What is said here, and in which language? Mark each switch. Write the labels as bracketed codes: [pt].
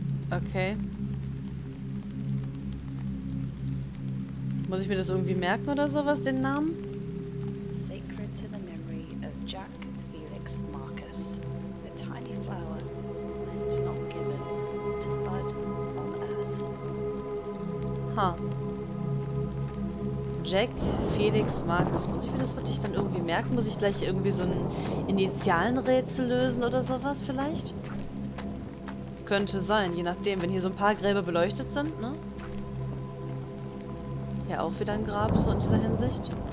[de] Okay. Muss ich mir das irgendwie merken oder sowas, den Namen? [en] Sacred to the memory of Jack Felix Marcus, a tiny flower meant not given to bud on earth. [de] Huh. Jack Felix Marcus. Muss ich mir das wirklich dann irgendwie merken? Muss ich gleich irgendwie so ein Initialenrätsel lösen oder sowas vielleicht? Könnte sein, je nachdem, wenn hier so ein paar Gräber beleuchtet sind, ne? Ja, auch wieder ein Grab, so in dieser Hinsicht.